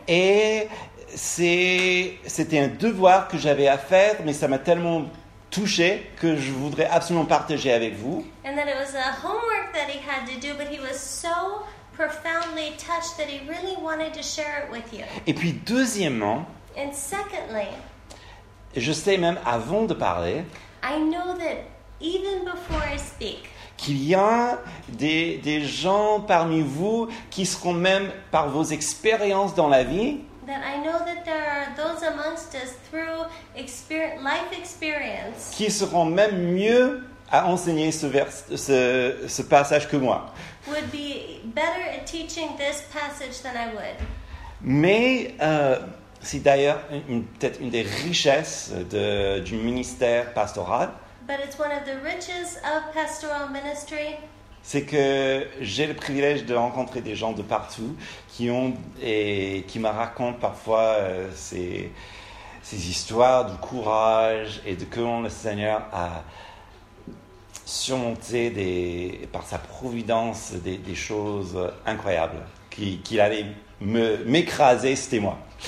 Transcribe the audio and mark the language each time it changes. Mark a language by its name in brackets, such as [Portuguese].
[French] Et c'était un devoir que j'avais à faire, mais ça m'a tellement touché que je voudrais absolument partager avec vous. [English] And that it was a homework that he had to do, but he was so profoundly touched that he really wanted to share it with you. [French] Et puis deuxièmement, [English] and secondly, [French] je sais même avant de parler, [English] I know that even before I speak, [French] qu'il y a des gens parmi vous qui seront même par vos expériences dans la vie qui seront même mieux à enseigner ce passage que moi. [English] Would be better at teaching this passage than I would. [French] Mais c'est d'ailleurs peut-être une des richesses du ministère pastoral. [English] But it's one of the riches of pastoral ministry. [French] C'est que j'ai le privilège de rencontrer des gens de partout qui ont et qui me racontent parfois ces histoires du courage et de comment le Seigneur a surmonté par sa providence des choses incroyables qu'il allait m'écraser, c'était moi.